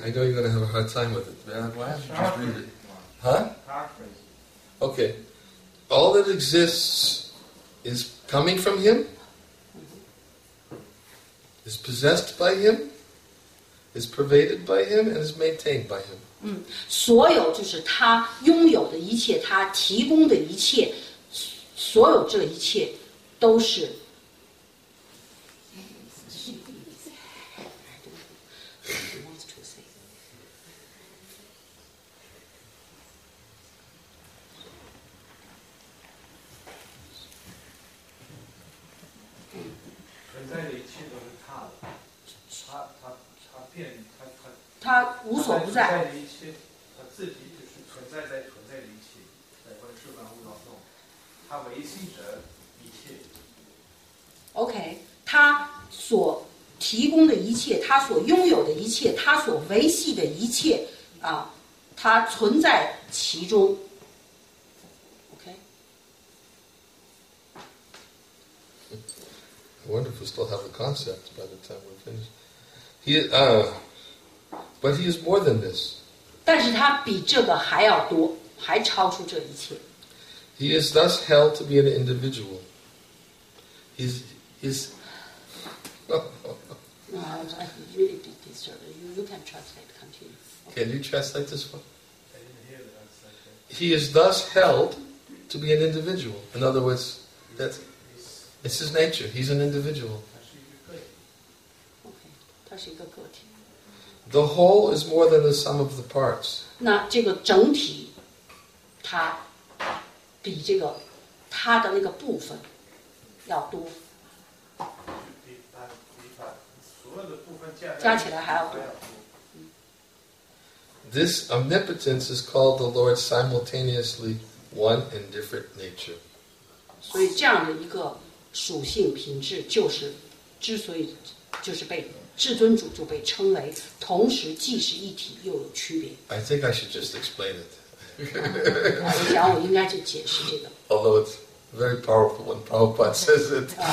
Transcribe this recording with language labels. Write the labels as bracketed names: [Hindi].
[English] I know you're going to have a hard time with it. Why don't you just read it? Huh? Okay. All that exists is coming from him, is possessed by him, is pervaded by him, and is maintained by him. [Chinese] 所有就是他拥有的一切，他提供的一切。所有这一切都是存在的一切都是他的，他无所不在。存在的一切，他自己就是存在在存在的一切，在观世万物当中。他维系着一切。 OK， 他所提供的一切，他所拥有的一切，他所维系的一切啊，他存在其中。 OK。 [English] I wonder if we still have a concept by the time we're finished. But he is more than this. 但是他比这个还要多，还超出这一切。 He is thus held to be an individual. He's. No, I really be disturbed. You can translate, continue. Can you translate this one? I didn't hear that. He is thus held to be an individual. In other words, it's his nature. He's an individual. Okay. The whole is more than the sum of the parts. [Chinese] 那这个整体，它。比这个他的那个部分要多，比把所有的部分加起来还要多。 [English] This omnipotence is called the Lord's simultaneously one and different nature. [Chinese] 所以这样的一个属性品质，就是之所以就是被至尊主就被称为同时既是一体又有区别。 [English] I think I should just explain it. Although it's very powerful when Prabhupada says it.